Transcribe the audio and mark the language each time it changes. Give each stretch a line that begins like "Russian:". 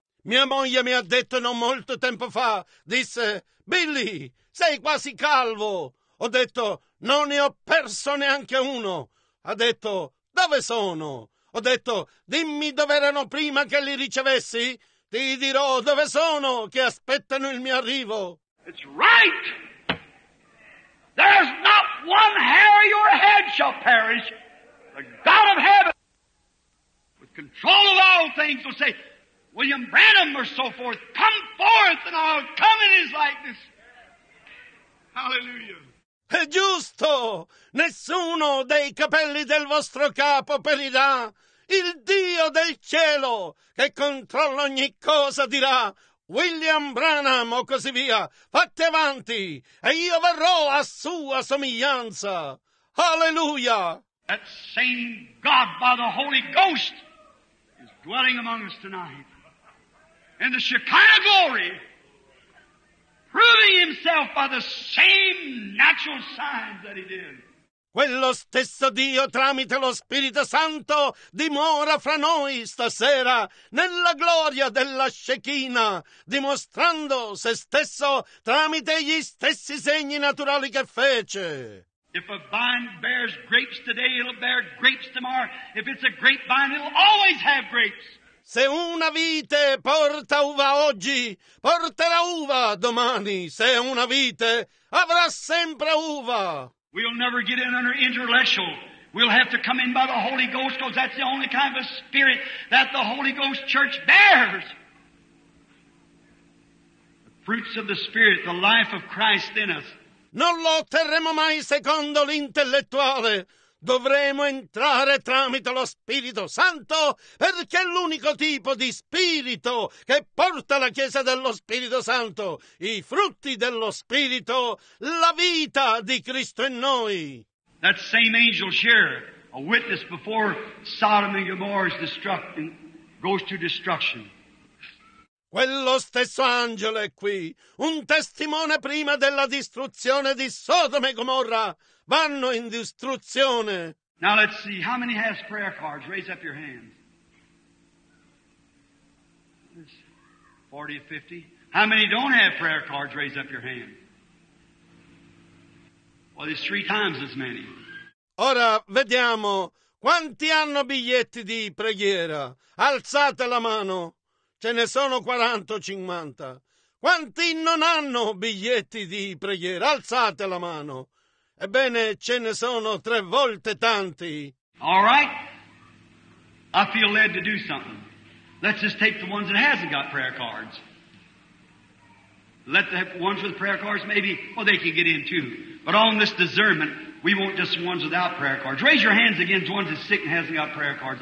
Italian: Mia moglie mi ha detto non molto tempo fa, disse, Billy, sei quasi calvo. Ho detto, non ne ho perso neanche uno. Ha detto, dove sono? Ho detto, dimmi dove erano prima che li ricevessi. Ti dirò dove sono, che aspettano il mio arrivo.
English: It's right. There's not one hair of your head shall perish. The God of heaven, with control of all things, will say, William Branham or so forth, come forth and I'll come in his likeness. Hallelujah.
Italian: È giusto! Nessuno dei capelli del vostro capo perirà. Il Dio del cielo, che controlla ogni cosa, dirà William Branham o così via. Fatti avanti e io verrò a sua somiglianza. Alleluia!
English: That same God by the Holy Ghost is dwelling among us tonight. In the Shekinah glory. Proving himself by the same natural signs that he did.
Italian: Quello stesso Dio tramite lo Spirito Santo dimora fra noi stasera nella gloria della Shekinah, dimostrando se stesso tramite gli stessi segni naturali che fece.
English: If a vine bears grapes today, it'll bear grapes tomorrow. If it's a grapevine, it'll always have grapes.
Italian: Se una vite porta uva oggi, porterà uva domani. Se una vite, avrà sempre uva.
English: We'll never get in under intellectual. We'll have to come in by the Holy Ghost, because that's the only kind of a spirit that the Holy Ghost Church bears. The fruits of the Spirit, the life of Christ in us.
Italian: Non lo otterremo mai secondo l'intellettuale. Dovremo entrare tramite lo Spirito Santo, perché è l'unico tipo di Spirito che porta la Chiesa dello Spirito Santo, i frutti dello Spirito, la vita di Cristo in noi.
English: That same angel here, a witness before Sodom and Gomorrah is destructing, goes to destruction.
Italian: Quello stesso angelo è qui, un testimone prima della distruzione di Sodoma e Gomorra. Vanno in distruzione.
English: Now let's see, how many has prayer cards? Raise up your hands. 40 or 50. How many don't have prayer cards? Raise up your hand. Well, there's three times as many.
Italian: Ora vediamo, quanti hanno biglietti di preghiera? Alzate la mano. Ce ne sono 40 o 50. Quanti non hanno biglietti di preghiera? Alzate la mano. Ebbene, ce ne sono tre volte tanti.
English: All right. I feel led to do something. Let's just take the ones that hasn't got prayer cards. Let the ones with prayer cards maybe, well, they can get in too. But on this discernment, we want just ones without prayer cards. Raise your hands again, ones that's sick and hasn't got prayer cards.